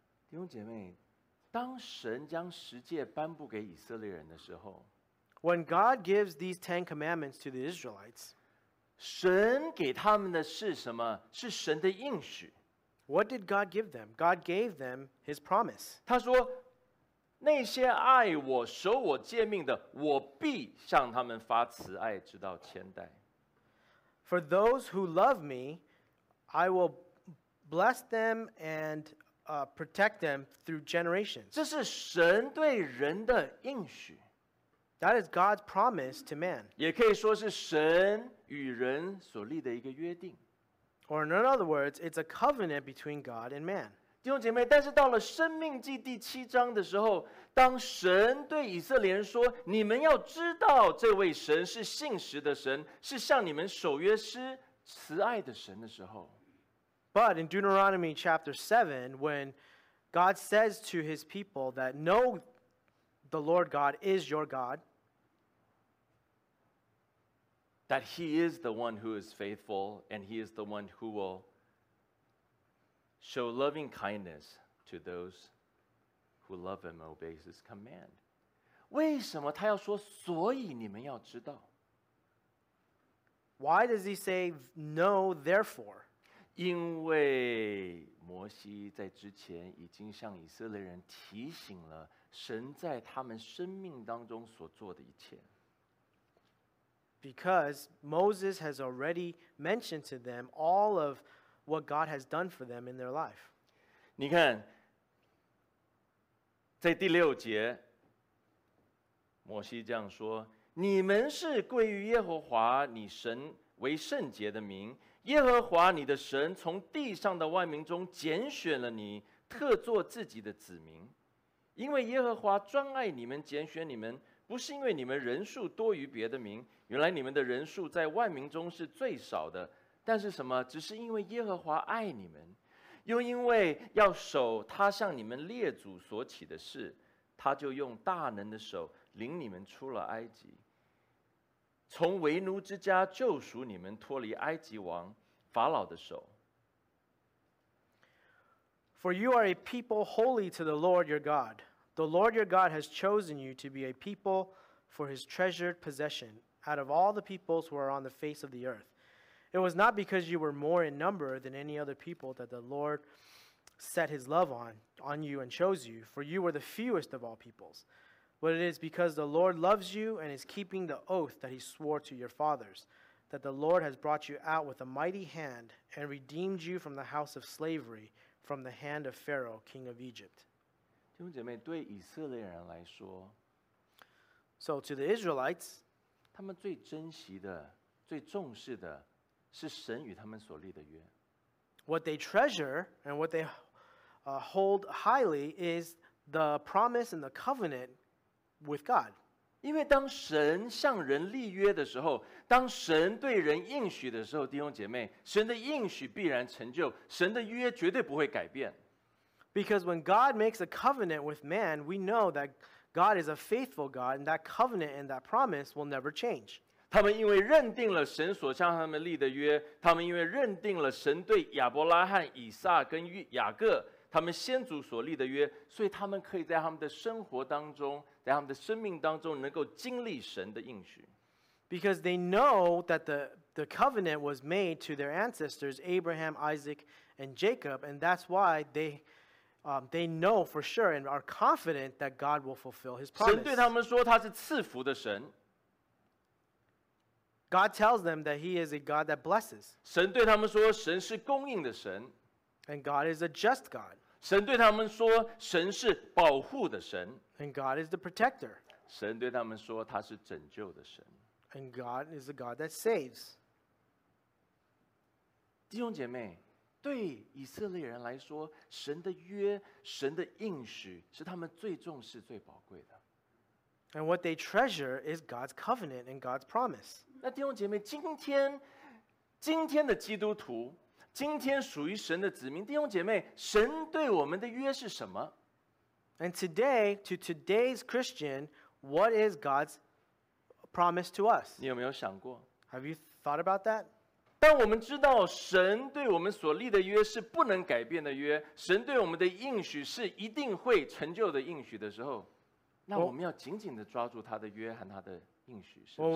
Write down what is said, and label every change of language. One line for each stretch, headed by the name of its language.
Chinese: 弟兄姐妹，当神将十诫颁布给以色列人的时候，
English: When God gives these Ten Commandments to the Israelites,
Chinese: 神给他们的是什么？是神的应许。
English: What did God give them? God gave them His promise.
Chinese: 他说，那些爱我、守我诫命的，我必向他们发慈爱，直到千代。
English: For those who love me, I will bless them and protect them through generations.
Chinese: 这是神对人的应许。
English: That is God's promise to man.
Chinese: 也可以说是神与人所立的一个约定。
English: Or in other words, it's a covenant between God and man.
Chinese: 弟兄姐妹，但是到了生命记第七章的时候，当神对以色列人说，你们要知道这位神是信实的神，是向你们守约施慈爱的神的时候。
English: But in Deuteronomy chapter 7, when God says to his people that know the Lord God is your God, that he is the one who is faithful and he is the one who will show loving kindness to those who love him, obey his command.
Chinese: 为什么他要说所以你们要知道?
English: Why does he say no, therefore?
Chinese: 因为摩西在之前已经向以色列人提醒了神在他们生命当中所做的一切。
English: Because Moses has already mentioned to them all of what God has done for them in their life.
Chinese: 你看，在第六节，摩西这样说：你们是归于耶和华你神为圣洁的民，耶和华你的神从地上的万民中拣选了你，特作自己的子民，因为耶和华专爱你们，拣选你们，不是因为你们人数多于别的民，原来你们的人数在万民中是最少的，但是什么？只是因为耶和华爱你们，又因为要守他向你们列祖所起的誓，他就用大能的手领你们出了埃及，从为奴之家救赎你们，脱离埃及王法老的手。
English: For you are a people holy to the Lord your God. The Lord your God has chosen you to be a people for his treasured possession out of all the peoples who are on the face of the earth. It was not because you were more in number than any other people that the Lord set his love on you and chose you, for you were the fewest of all peoples. But it is because the Lord loves you and is keeping the oath that he swore to your fathers, that the Lord has brought you out with a mighty hand and redeemed you from the house of slavery, from the hand of Pharaoh, king of Egypt.
Chinese: 弟兄姐妹，对以色列人来说，
English: So to the Israelites,
Chinese: 他们最珍惜的，最重视的，是神与他们所立的约。
English: What they treasure and what they hold highly is the promise and the covenant with God.
Chinese: 因为当神向人立约的时候，当神对人应许的时候，弟兄姐妹，神的应许必然成就，神的约绝对不会改变。
English: Because when God makes a covenant with man, we know that God is a faithful God, and that covenant and that promise will never change.
Chinese: 他们因为认定了神所向他们立的约，他们因为认定了神对亚伯拉罕、以撒跟雅各他们先祖所立的约，所以他们可以在他们的生活当中，在他们的生命当中能够经历神的应许。
English: Because they know that the covenant was made to their ancestors Abraham, Isaac and Jacob, and that's why they know for sure and are confident that God will fulfill his promise.
Chinese: 神对他们说他是赐福的神。
English: God tells them that he is a God that blesses.
Chinese: 神对他们说神是供应的神。
English: And God is a just God.
Chinese: 神对他们说神是保护的神。
English: And God is the protector.
Chinese: 神对他们说他是拯救的神。
English: And God is a God that saves.
Chinese: 弟兄姐妹，对以色列人来说，神的约，神的应许是他们最重视最宝贵的。
English: And what they treasure is God's covenant and God's promise.
Chinese: 那弟兄姐妹，今天的基督徒，今天属于神的子民，弟兄姐妹，神对我们的约是什么？
English: And today, to today's Christian, what is God's promise to us?
Chinese: 你有没有想过？
English: Have you thought about that?
Chinese: 当我们知道神对我们所立的约是不能改变的约，神对我们的应许是一定会成就的应许的时候，那我们要紧紧地抓住他的约和他的应许，是不是？